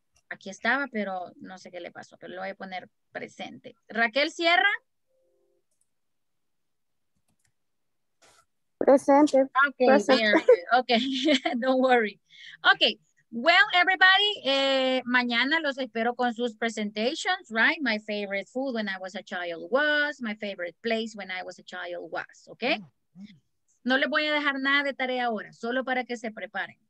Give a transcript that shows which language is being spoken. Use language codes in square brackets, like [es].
[es] Aquí estaba, pero no sé qué le pasó, pero lo voy a poner presente. Raquel Sierra. Presente. [en] Okay, presente. Okay. Don't worry. Okay. [es] Well, everybody, mañana los espero con sus presentations, right? [en] My favorite food when I was a child was, my favorite place when I was a child was, okay? [es] No les voy a dejar nada de tarea ahora, solo para que se preparen.